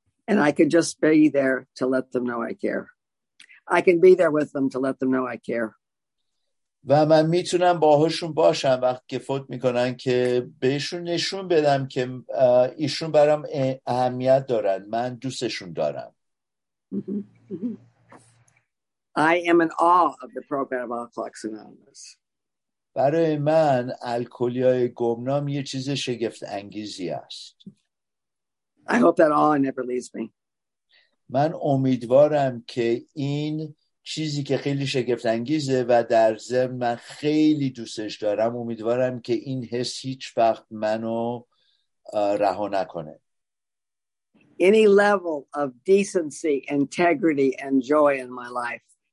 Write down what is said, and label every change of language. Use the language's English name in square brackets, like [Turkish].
[English] And I can just be there to let them know I care. I can be there with them to let them know I care. [Persian] و من میتونم باهاشون باشم وقتی که فوت میکنن که بهشون نشون بدم که ایشون برام اهمیت دارن، من دوستشون دارم. [English] I am in awe of the program of Alcoholics Anonymous. [Persian] برای من الکلیای گمنام یه چیز شگفت انگیزی است. [English] I hope that awe never leaves me. [Persian] من امیدوارم که این چیزی که خیلی شگفت انگیزه و در ضمن من خیلی دوستش دارم، امیدوارم که این حس هیچ وقت منو رها نکنه. [English] Any level of decency, integrity and joy in my life.